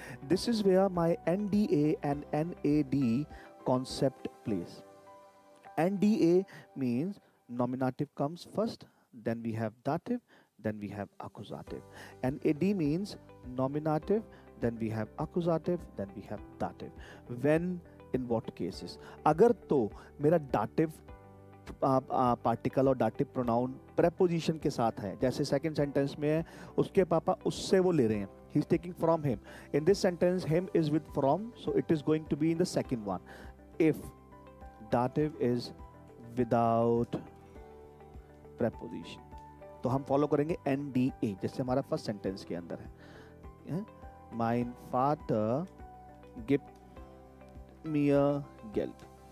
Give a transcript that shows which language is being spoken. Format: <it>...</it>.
<en>This is where my NDA and NAD concept plays. NDA means nominative comes first, then we have dative, then we have accusative. NAD means nominative, then we have accusative, then we have dative. When, in what cases?</en> <hi>Agar to mera dative particle और dative pronoun preposition के साथ है, जैसे second sentence में है, उसके पापा उससे वो ले रहे हैं,</hi> <en>He's taking from him. In this sentence, him is with from, so it is going to be in the second one. If dative is without preposition,</en> <hi>तो हम फॉलो करेंगे एन डी ए, जैसे हमारा फर्स्ट सेंटेंस के अंदर है.</hi> <en>Mine father give me a gelt.</en>